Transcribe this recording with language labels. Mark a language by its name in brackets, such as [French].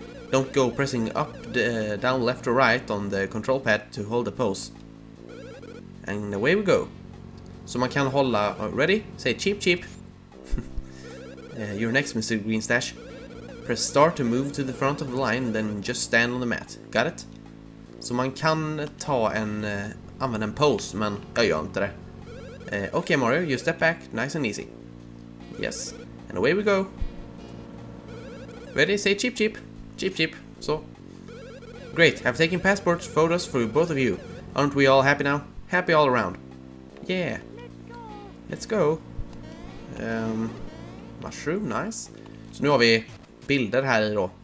[English] Don't go pressing up, down, left or right on the control pad to hold the pose. And away we go. [Swedish] So man kan hålla, [English] ready? Say cheep cheep. you're next, Mr. Green Stash. Press start to move to the front of the line, then just stand on the mat. Got it? [Swedish] So man kan ta en, använda en pose, men jag gör inte det. [English] Okay Mario, you step back, nice and easy. Yes, and away we go. Ready? Say cheep cheep. Cheep cheep, so. Great, I've taken passports, photos for both of you. Aren't we all happy now? Happy all around. Yeah. Let's go. Mushroom, nice. [Swedish] Så nu har vi bilder här i då.